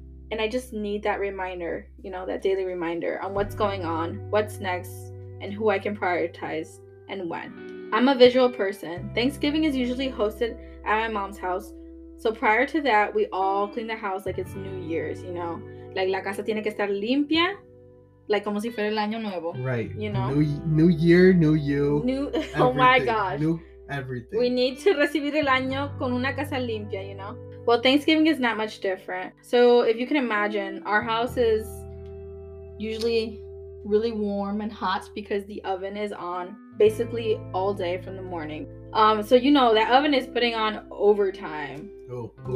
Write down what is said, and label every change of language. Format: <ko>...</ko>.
<en>And I just need that reminder, you know, that daily reminder on what's going on, what's next, and who I can prioritize and when. I'm a visual person. Thanksgiving is usually hosted at my mom's house. So prior to that, we all clean the house like it's New Year's, you know. Like,</en> <es>la casa tiene que estar limpia, like como si fuera el año nuevo.</es> <en>Right. You know? New year, new you. New. Everything. Oh my gosh. New everything. We need to</en> <es>recibir el año con una casa limpia,</es> <en>you know. Well, Thanksgiving is not much different. So if you can imagine, our house is usually really warm and hot because the oven is on basically all day from the morning. So you know, that oven is putting on overtime. Oh, cool.</en>